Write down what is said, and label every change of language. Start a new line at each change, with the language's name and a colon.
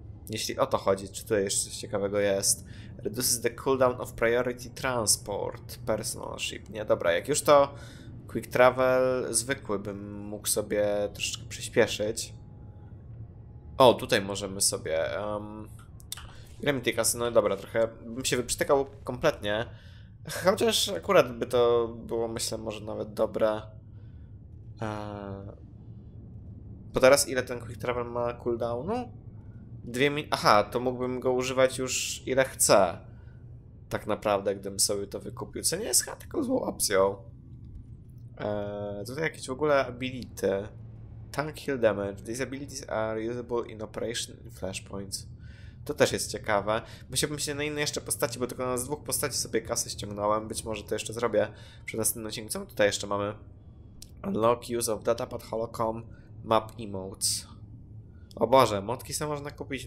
Polish: Jeśli o to chodzi, czy tutaj jeszcze coś ciekawego jest.
English: Reduces the cooldown of priority transport, personal ship.
Polish: Nie, dobra, jak już to quick travel zwykły bym mógł sobie troszeczkę przyspieszyć. O, tutaj możemy sobie... ile mi tej kasy? No dobra, trochę bym się wyprzytykał kompletnie. Chociaż akurat by to było, myślę, może nawet dobre. Bo teraz ile ten quick travel ma cooldownu? Dwie minuty... Aha, to mógłbym go używać już ile chcę. Tak naprawdę, gdybym sobie to wykupił. Co nie jest chyba taką złą opcją. Tutaj jakieś w ogóle ability.
English: Tank heal damage. These abilities are usable in operation flashpoints.
Polish: To też jest ciekawe. Musiałbym się na inne jeszcze postaci, bo tylko na dwóch postaci sobie kasę ściągnąłem. Być może to jeszcze zrobię przed następnym odcinku. Co my tutaj jeszcze mamy?
English: Unlock use of datapad holocom map emotes.
Polish: O Boże, modki sobie można kupić.